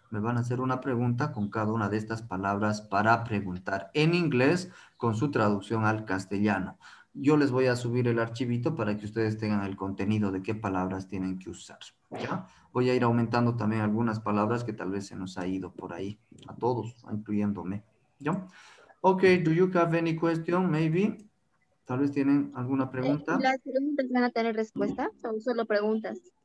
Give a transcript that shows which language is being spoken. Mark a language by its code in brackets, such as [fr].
[es] Me van a hacer una pregunta con cada una de estas palabras para preguntar en inglés con su traducción al castellano. Yo les voy a subir el archivito para que ustedes tengan el contenido de qué palabras tienen que usar, ¿ya? Voy a ir aumentando también algunas palabras que tal vez se nos ha ido por ahí a todos, incluyéndome, ¿ya? [en] Ok, do you have any question, maybe? [es] Tal vez tienen alguna pregunta. ¿Las preguntas van a tener respuesta o solo preguntas?